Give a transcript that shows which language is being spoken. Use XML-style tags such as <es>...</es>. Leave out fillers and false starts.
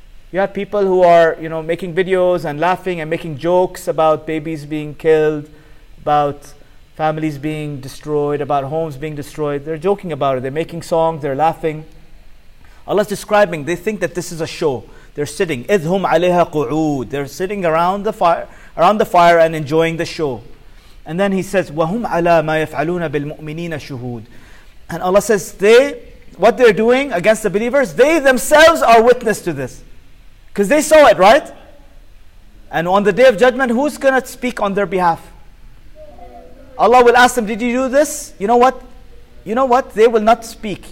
<en>You have people who are, you know, making videos and laughing and making jokes about babies being killed, about families being destroyed, about homes being destroyed. They're joking about it. They're making songs. They're laughing. Allah's describing, they think that this is a show. They're sitting.</en> <ar>إِذْ هُمْ عَلَيْهَا قُعُودٌ.</ar> <en>They're sitting around the fire and enjoying the show. And then He says,</en> <ar>وَهُمْ عَلَى مَا يَفْعَلُونَ بِالْمُؤْمِنِينَ شُهُودٌ.</ar> <en>And Allah says, what they're doing against the believers, they themselves are witness to this. Because they saw it, right? And on the Day of Judgment, who's going to speak on their behalf? Allah will ask them, did you do this? You know what? You know what? They will not speak.</en>